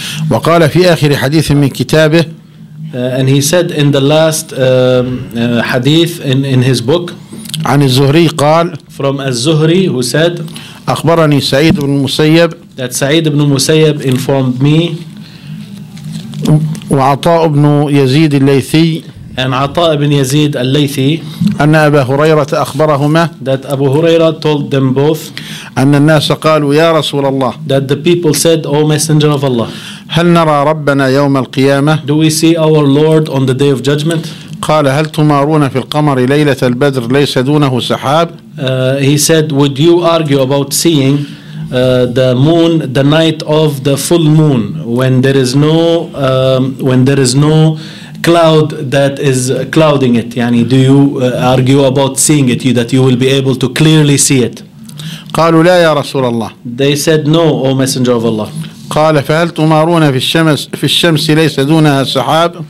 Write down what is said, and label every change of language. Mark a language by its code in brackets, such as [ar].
[ar] وقال في آخر حديث من كتابه. [en] And he said in the last hadith in his book. [ar] عن الزهري قال. [en] From الزهري who said. [ar] أخبرني سعيد بن مسيب. [en] That سعيد بن مسيب informed me. [ar] وعطاء بن يزيد الليثي. [en] And عطاء بن يزيد الليثي. [ar] أن أبا هريرة أخبرهما. [en] That Abu Huraira told them both. [ar] أن الناس قالوا يا رسول الله. [en] That the people said, O Messenger of Allah. [ar] هل نرى ربنا يوم القيامة؟ [en] Do we see our Lord on the day of judgment? [ar] قال هل تمارون في القمر ليلة البدر ليس دونه سحاب؟ [en] He said, would you argue about seeing the moon, the night of the full moon, when there is no cloud that is clouding it? [ar] يعني [en] do you argue about seeing it, that you will be able to clearly see it? [ar] قالوا لا يا رسول الله. [en] They said, no, O Messenger of Allah. [ar] قال فهل تمارون في الشمس في الشمس ليس دونها سحاب.